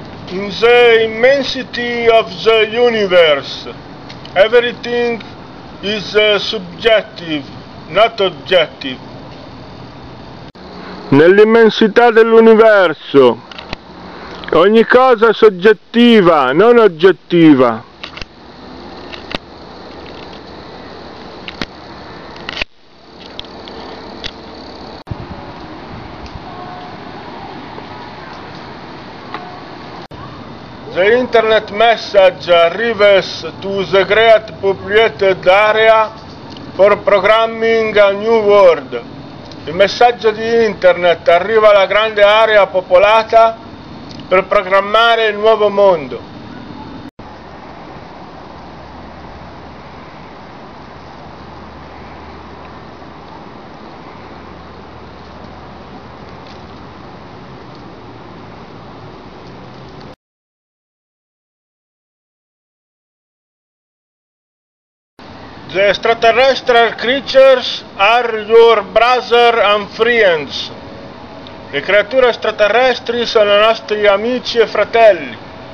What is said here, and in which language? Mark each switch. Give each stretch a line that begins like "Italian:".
English: In the immensity of the universe, everything is subjective, not objective.
Italian: Nell'immensità dell'universo, ogni cosa è soggettiva, non oggettiva.
English: The internet message arrives to the great populated area for programming a new world.
Italian: Il messaggio di internet arriva alla grande area popolata per programmare il nuovo mondo.
English: The extraterrestrial creatures are your brother and friends.
Italian: Le creature extraterrestri sono i nostri amici e fratelli.